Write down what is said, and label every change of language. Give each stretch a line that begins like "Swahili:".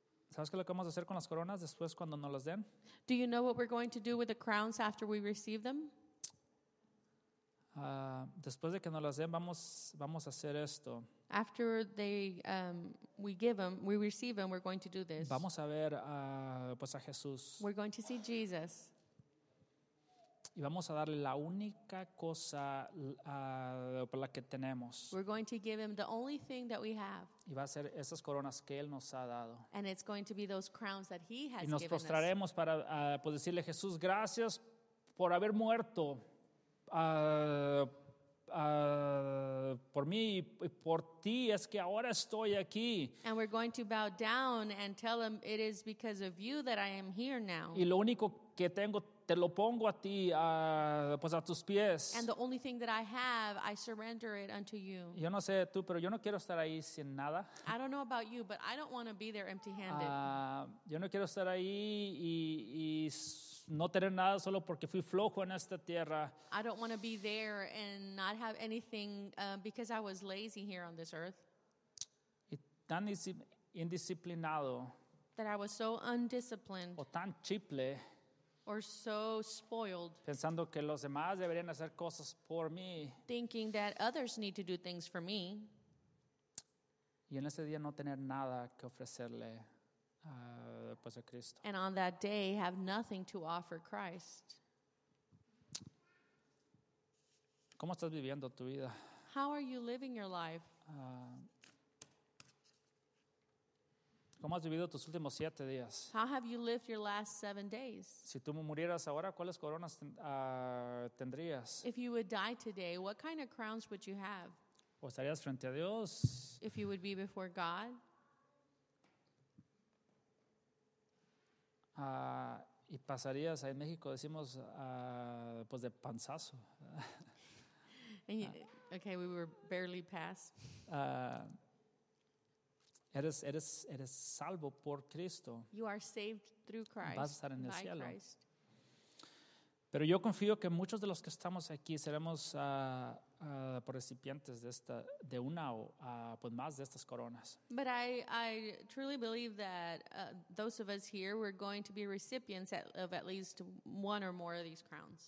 Spanish: ¿Sabes qué es lo que vamos a hacer con las coronas después cuando nos las den?
English: Do you know what we're going to do with the crowns after we receive them?
Spanish: Después de que nos las den, vamos a hacer esto.
English: After they we give them, we receive them, we're going to do this.
Spanish: Vamos a ver a Jesús.
English: We're going to see Jesus.
Spanish: Y vamos a darle la única cosa por la que tenemos.
English: We're going to give him the only thing that we have.
Spanish: Y va a ser esas coronas que él nos ha dado.
English: And it's going to be those crowns that he has given us.
Spanish: Y nos postraremos para pues decirle, Jesús, gracias por haber muerto por mí y por ti es que ahora estoy aquí.
English: And we're going to bow down and tell him it is because of you that I am here now.
Spanish: Y lo único que tengo te lo pongo a ti, pues a tus pies.
English: And the only thing that I have, I surrender it unto you.
Spanish: Yo no sé tú, pero yo no quiero estar ahí sin nada.
English: I don't know about you, but I don't want to be there empty-handed.
Spanish: Yo no quiero estar ahí y no tener nada solo porque fui flojo en esta tierra.
English: I don't want to be there and not have anything because I was lazy here on this earth.
Spanish: Y tan indisciplinado.
English: That I was so undisciplined.
Spanish: O tan chiple.
English: Or so spoiled.
Spanish: Pensando que los demás deberían hacer cosas por mí.
English: Thinking that others need to do things for me.
Spanish: Y en ese día no tener nada que ofrecerle. Pues a Cristo.
English: And on that day have nothing to offer Christ.
Spanish: ¿Cómo estás viviendo tu vida?
English: How are you living your life?
Spanish: ¿Cómo has vivido tus últimos 7 días?
English: How have you lived your last 7 days?
Spanish: Si tú murieras ahora, ¿cuáles coronas tendrías?
English: If you would die today, what kind of crowns would you have?
Spanish: ¿O estarías frente a Dios?
English: If you would be before God.
Spanish: Y pasarías en México decimos pues de panzazo.
English: Okay, we were barely past.
Spanish: Eres salvo por Cristo.
English: You are saved through Christ.
Spanish: Vas a estar en el cielo.
English: Christ.
Spanish: Pero yo confío que muchos de los que estamos aquí seremos por recipientes de esta de una o pues más de estas coronas.
English: But I truly believe that those of us here we're going to be recipients of at least one or more of these crowns.